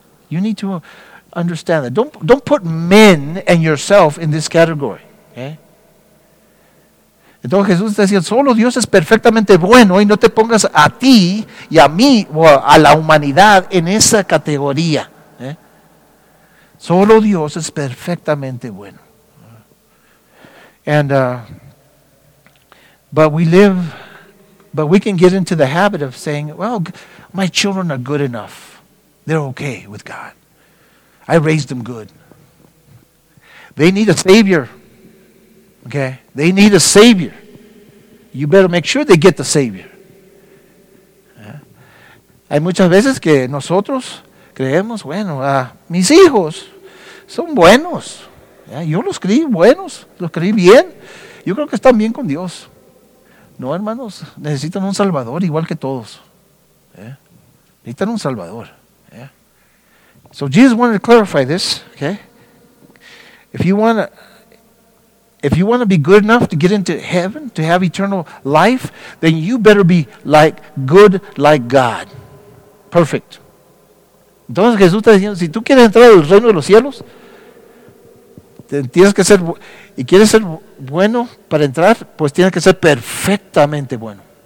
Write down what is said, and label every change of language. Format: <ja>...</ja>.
<en>You need to understand that. Don't put men and yourself in this category, okay?</en> <es>Entonces Jesús decía, solo Dios es perfectamente bueno y no te pongas a ti y a mí o a la humanidad en esa categoría. Solo Dios es perfectamente bueno.</es> <en>But we can get into the habit of saying, well, my children are good enough. They're okay with God. I raised them good. They need a Savior. Okay? They need a Savior. You better make sure they get the Savior.</en> <es>Hay muchas veces que nosotros creemos, bueno, mis hijos son buenos. Yo los creí buenos, los creí bien. Yo creo que están bien con Dios. No, hermanos, necesitan un Salvador igual que todos. Necesitan un Salvador.</es> <en>So Jesus wanted to clarify this, okay? If you want to be good enough to get into heaven, to have eternal life, then you better be like good like God. Perfect.</en> <es>Entonces Jesús está diciendo, si tú quieres entrar al reino de los cielos, tienes que ser, y quieres ser bueno para entrar, pues tienes que ser perfectamente bueno.</es>